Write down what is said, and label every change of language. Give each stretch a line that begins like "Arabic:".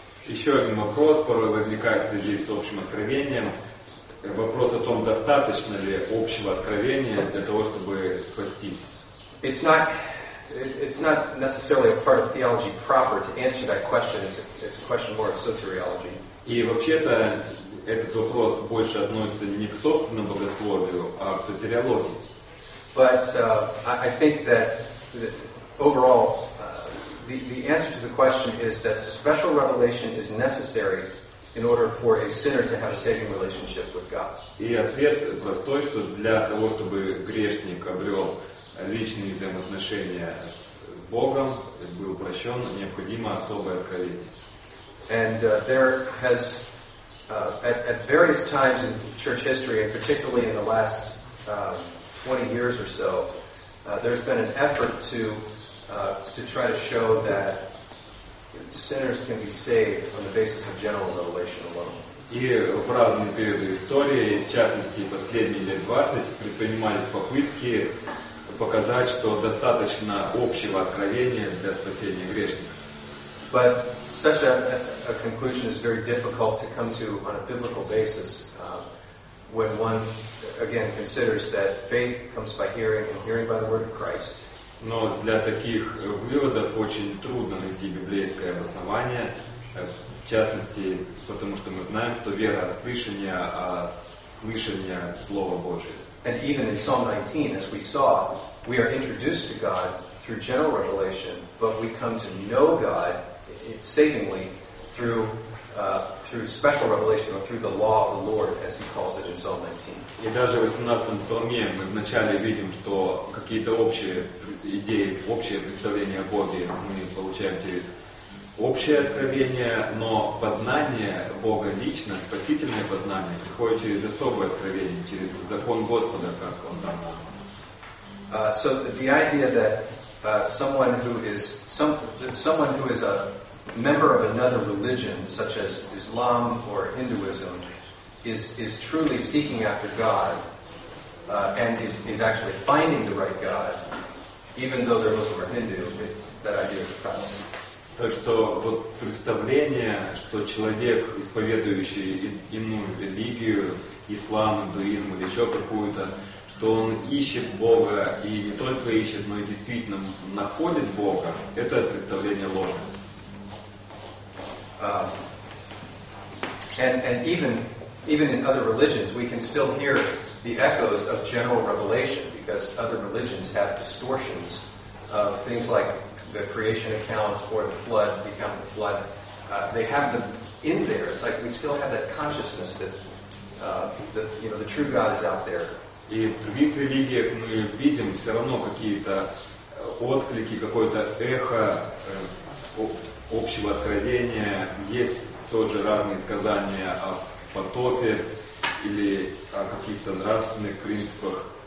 Russian: Еще один вопрос порой возникает в связи с общим откровением. Вопрос о том, достаточно ли общего откровения для того, чтобы спастись.
English: It's not necessarily a part of theology proper to answer that question. It's a question more of soteriology.
Russian: И вообще-то этот вопрос больше относится не к собственному богословию, а к сотериологии.
English: But I think that overall the answer to the question is that special revelation is necessary in order for a sinner to have a saving relationship with God.
Russian: И ответ простой, что для того, чтобы грешник обрел личные взаимоотношения с Богом, был упрощен, необходимо особое откровение.
English: And there has at various times in church history, and particularly in the last 20 years or so, there's been an effort to try to show that sinners can be saved on the basis of general revelation alone.
Russian: И в разные периоды истории, в частности последние лет 20, предпринимались попытки показать, что достаточно общего откровения для спасения грешника.
English: But such a conclusion is very difficult to come to on a biblical basis when one again considers that faith comes by hearing and hearing by the word of Christ.
Russian: Но для таких выводов очень трудно найти библейское обоснование, в частности, потому что мы знаем, что вера от слышания, а слышание от Слова Божьего.
English: And even in Psalm 19, as we saw, we are introduced to God through general revelation, but we come to know God savingly through special revelation or through the law of the Lord, as he calls it in Psalm 19.
Russian: И даже в 18-м псалме мы вначале видим, что какие-то общие идеи, общее представление о Боге мы получаем через общее откровение, но познание Бога лично, спасительное познание, приходит через особое откровение, через закон Господа, как он там назван.
English: So the idea that someone who is a member of another religion, such as Islam or Hinduism, is truly seeking after God and is actually finding the right God, even though they're Muslim or Hindu, that idea is a fallacy.
Russian: Так что вот представление, что человек, исповедующий иную религию, ислам, индуизм или еще какую-то, что он ищет Бога и не только ищет, но и действительно находит Бога, это представление ложное.
English: And even in other religions, we can still hear the echoes of general revelation, because other religions have distortions of things like the creation account or the account of the flood, they have them in there. It's like we still have that consciousness that the true God is out there.
Russian: И в других религиях мы видим все равно какие-то отклики, какое-то эхо общего откровения. Есть тот же разные сказания о потопе или о каких-то нравственных принципах.